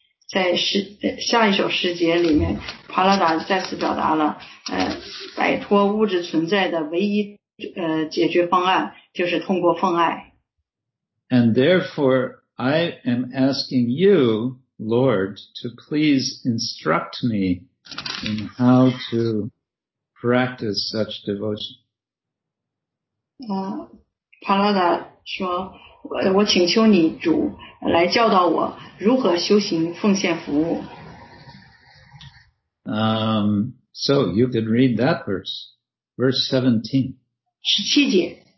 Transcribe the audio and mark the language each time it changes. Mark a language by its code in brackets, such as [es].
[zh] 在下一首诗节里面，帕拉达再次表达了摆脱物质存在的唯一解决方案。就是通过奉爱。 [en] And therefore, I am asking you, Lord, to please instruct me in how to practice such devotion. [zh] 帕拉达说 我请求你主来教导我如何修行奉献服务。 [en] So you could read that verse, verse 17. [zh] 17节。